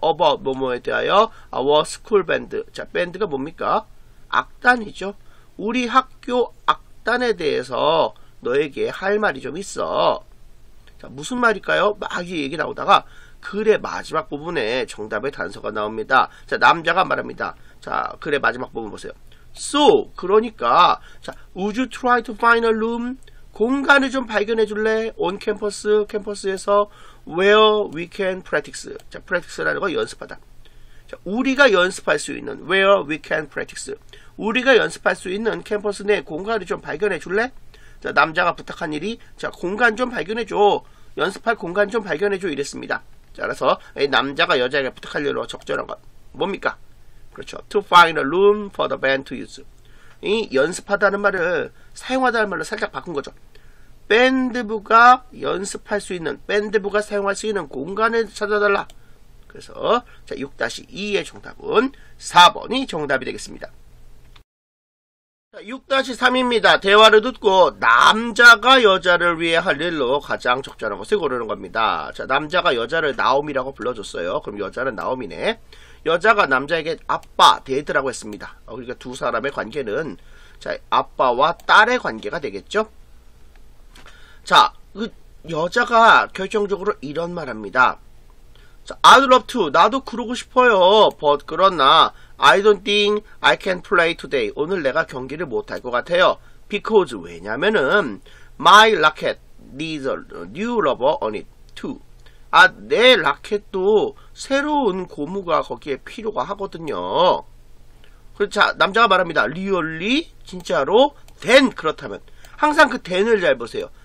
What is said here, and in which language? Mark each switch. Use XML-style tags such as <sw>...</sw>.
<ko>About 뭐뭐에 대하여.</ko> <en>Our school band.</en> <ko>자, 밴드가 뭡니까? 악단이죠. 우리 학교 악단에 대해서 너에게 할 말이 좀 있어. 자, 무슨 말일까요? 막 얘기 나오다가 글의 마지막 부분에 정답의 단서가 나옵니다. 자, 남자가 말합니다. 자, 글의 마지막 부분 보세요.</ko> <en>So, 그러니까, 자, would you try to find a room?</en> <ko>공간을 좀 발견해 줄래?</ko> <en>On campus, 캠퍼스에서 where we can practice.</en> <ko>자, practice라는 거 연습하다. 자, 우리가 연습할 수 있는</ko> <en>where we can practice.</en> <ko>우리가 연습할 수 있는 캠퍼스 내 공간을 좀 발견해 줄래? 자, 남자가 부탁한 일이, 자, 공간 좀 발견해 줘. 연습할 공간 좀 발견해 줘. 이랬습니다. 자, 그래서 남자가 여자에게 부탁할 일로 적절한 것 뭡니까? 그렇죠.</ko> <en>To find a room for the band to use.</en> <ko>이 연습하다는 말을 사용하다는 말로 살짝 바꾼 거죠. 밴드부가 연습할 수 있는, 밴드부가 사용할 수 있는 공간을 찾아달라. 그래서 자, 6-2의 정답은 4번이 정답이 되겠습니다. 자, 6-3입니다. 대화를 듣고 남자가 여자를 위해 할 일로 가장 적절한 것을 고르는 겁니다. 자, 남자가 여자를 나옴이라고 불러줬어요. 그럼 여자는 나옴이네. 여자가 남자에게 아빠, 데드라고 했습니다. 그러니까 두 사람의 관계는 자, 아빠와 딸의 관계가 되겠죠. 자, 그 여자가 결정적으로 이런 말합니다. 자,</ko> <en>I'd love to.</en> <ko>나도 그러고 싶어요.</ko> <en>But 그러나 I don't think I can play today.</en> <ko>오늘 내가 경기를 못할 것 같아요.</ko> <en>Because 왜냐면은 My racket needs a new rubber on it too.</en> <ko>아, 내 라켓도 새로운 고무가 거기에 필요가 하거든요. 자, 남자가 말합니다. Really? 진짜로? Then 그렇다면 항상 그 then을 잘 보세요.</ko>